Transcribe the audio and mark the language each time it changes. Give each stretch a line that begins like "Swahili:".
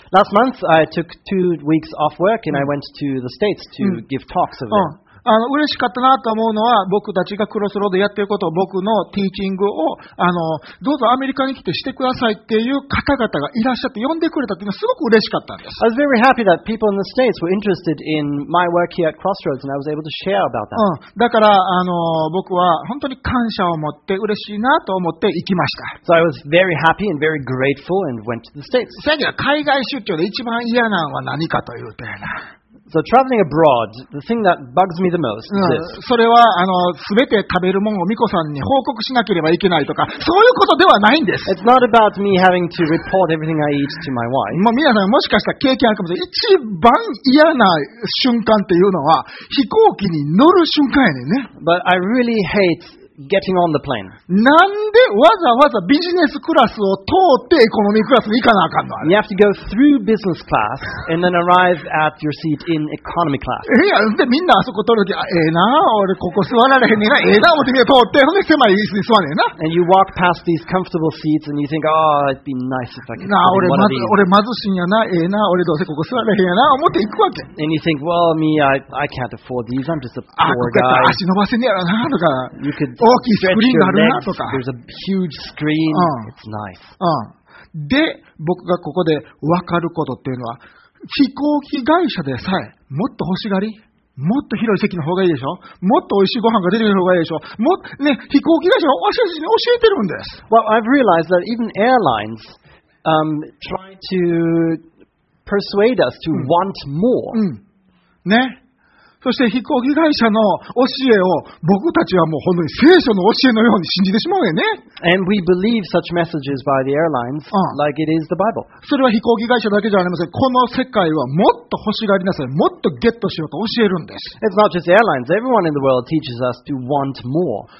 English: Last month I took 2 weeks off work and I went to the States to give talks over there.
Japanese: 嬉しかったなと思うのは僕たちがクロスロードやってることを僕のティーチングをどうぞアメリカに来てしてくださいっていう方々がいらっしゃって呼んでくれたっていうのはすごく嬉しかったんです。
English: I was very happy that people in the States were interested in my work here at Crossroads and I was able to share about that.
Japanese: だから僕は本当に感謝を持って嬉しいなと思って行きました。
English: So I was very happy and very grateful and went to the States.
Japanese: 最近は海外出張で一番嫌なのは何かというとやな。
English: So traveling abroad, the thing that bugs me the most is this.
Japanese: それは全て食べるものを美子さんに報告しなければいけないとかそういうことではないんです。
English: It's not about me having to report everything I eat to my wife.
Japanese: まあ皆さんもしかしたら経験あるかもしれない。一番嫌な瞬間っていうのは飛行機に乗る瞬間やねんね。
English: But I really hate getting on the plane.
Japanese: なんでわざわざビジネスクラスを通ってエコノミークラスに行かなあかんの？
English: You have to go through business class and then arrive at your seat in economy class.
Japanese: いや、でみんなあそこ通るとき、ええな、俺ここ座られへんねんな、ええな、思ってみて通って、ほんで狭い椅子に座れへんな。
English: And you walk past these comfortable seats and you think, oh, it'd be nice if I could.
Japanese: なあ、俺貧しいんやな、ええな、俺どうせここ座れへんやな、思って行くわけ。
English: And you think, well, me, I can't afford these. I'm just a poor guy.
Japanese: ここ足伸ばせねえやなとか。
English: You could
Japanese: 大きいスクリーンがあるなとか。
English: There's a huge screen. It's nice.
Japanese: で、僕がここで分かることっていうのは、飛行機会社でさえ、もっと欲しがり、もっと広い席の方がいいでしょ、もっと美味しいご飯が出てくる方がいいでしょ、もっとね、飛行機会社は私たちに教えてるんです。
English: Well, I've realized that even airlines, try to persuade us to want more.
Japanese: ね。そして飛行機会社の教えを僕たちはもう本当に聖書の教えのように信じてしまうよね。
English: And we believe such messages by the airlines, like it is the Bible.
Japanese: それは飛行機会社だけじゃありません。この世界はもっと欲しがりなさい、もっとゲットしようと教えるんです。
English: It's not just airlines. Everyone in the world teaches us to want more.